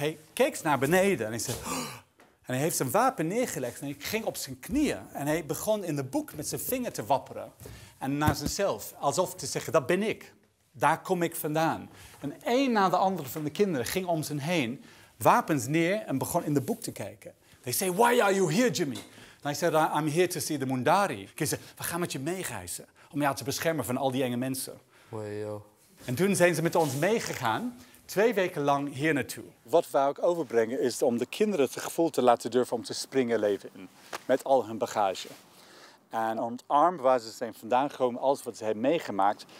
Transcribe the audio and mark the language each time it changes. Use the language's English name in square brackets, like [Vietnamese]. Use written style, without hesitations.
[Dutch] Hij keek naar beneden en hij zei, oh. En hij heeft zijn wapen neergelegd en ik ging op zijn knieën. En hij begon in de boek met zijn vinger te wapperen. En naar zichzelf, alsof te zeggen, dat ben ik. Daar kom ik vandaan. En één na de andere van de kinderen ging om zijn heen, wapens neer en begon in de boek te kijken. [English] They say, why are you here, Jimmy? And I said, I'm here to see the Mundari. [Dutch] Ik zei, we gaan met je meegrijzen om jou te beschermen van al die enge mensen. Wajo. En toen zijn ze met ons meegegaan, 2 weken lang hier naartoe. Wat wou ik overbrengen is om de kinderen het gevoel te laten durven om te springen leven in. Met al hun bagage. En ontarm waar ze zijn vandaan gekomen, alles wat ze hebben meegemaakt.